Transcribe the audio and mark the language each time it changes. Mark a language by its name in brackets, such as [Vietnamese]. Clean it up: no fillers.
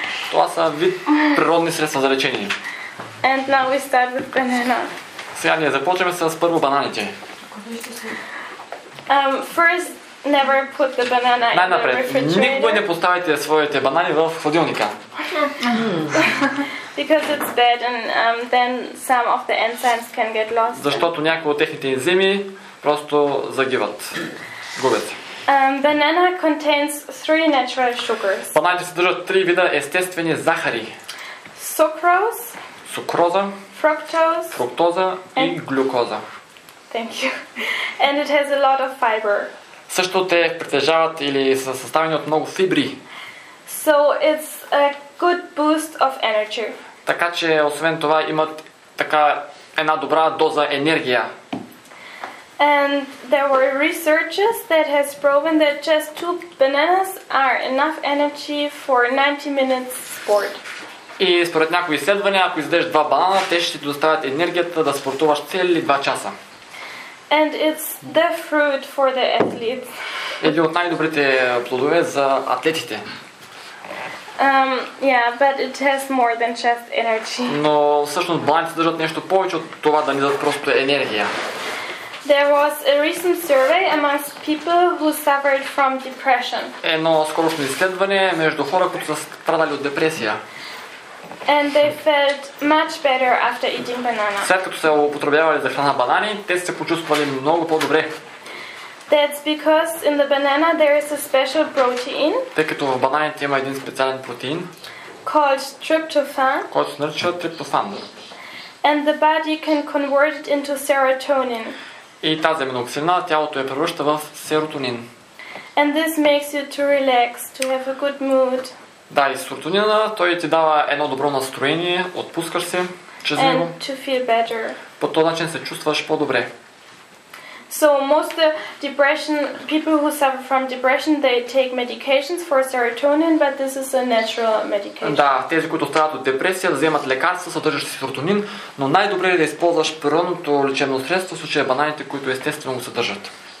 [Bulgarian] Това са вид природни средства за лечение. [English] And now we start with banana. [Bulgarian] Сега ние започваме с първо бананите. [English] First never put the banana in the refrigerator. [Bulgarian] Най-напред, никога не поставяйте своите банани в хладилника. [English] Because it's bad and then some of the enzymes can get lost. [Bulgarian] Защото някои от техните ензими просто загиват. Губят се. [English] Banana contains three natural sugars. [Bulgarian] Бананите съдържат три вида естествени захари. [English] Sucrose. [Bulgarian] Сукроза. [English] Fructose. [Bulgarian] Фруктоза и глюкоза. [English] Thank you. And it has a lot of fiber. [Bulgarian] Също те притежават или са съставени от много фибри. [English] So it's a good boost of energy. [Bulgarian] Така че освен това имат така една добра доза енергия. [English] And there were researches that has proven that just two bananas are enough energy for 90 minutes sport. [Bulgarian] И според някои изследвания, ако изядеш два банана, те ще ти доставят енергията да спортуваш цели 2 часа. [English] And it's the fruit for the athletes. [Bulgarian] Един от най-добрите плодове за атлетите. [English] Yeah, but it has more than just energy. [Bulgarian] Но всъщност бананите съдържат нещо повече от това да ни дадат просто енергия. [English] There was a recent survey amongst people who suffered from depression. [Bulgarian] Едно скорошно изследване между хора, които са страдали от депресия. [English] And they felt much better after eating banana. [Bulgarian] След като са употребявали за храна банани, те се почувствали много по-добре. [English] That's because in the banana there is a special protein. [Bulgarian] Тъй като в бананите има един специален протеин. [English] Called tryptophan. [Bulgarian] Който се нарича триптофан. [English] And the body can convert it into serotonin. [Bulgarian] И тази аминоксидна тялото я превръща в серотонин. [English] And this makes you to relax, to have a good mood. [Bulgarian] Да, и серотонина, той ти дава едно добро настроение, отпускаш се чрез [English] and [Bulgarian] него. [English] To feel better. [Bulgarian] По този начин се чувстваш по-добре. [English] So most depression people who suffer from depression they take medications for serotonin but this is a natural medication. [Bulgarian] Да, тези които страдат от депресия вземат лекарства съдържащи серотонин, но най-добре е да използваш природното лечебно средство в случая бананите, които естествено го съдържат.